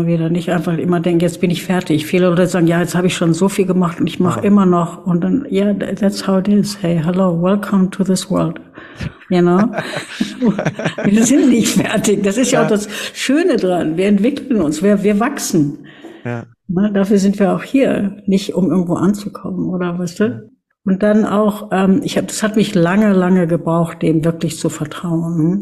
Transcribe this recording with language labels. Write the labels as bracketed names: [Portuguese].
[German] Nicht einfach immer denken, jetzt bin ich fertig. Viele Leute sagen, ja, jetzt habe ich schon so viel gemacht und ich mache immer noch. Und dann, ja, [English] yeah, that's how it is. Hey, hello, welcome to this world. You know? [German] Wir sind nicht fertig. Das ist ja auch das Schöne dran. Wir entwickeln uns. Wir wachsen. Ja. Na, dafür sind wir auch hier, nicht um irgendwo anzukommen, oder weißt du? Ja. Und dann auch, das hat mich lange, lange gebraucht, dem wirklich zu vertrauen.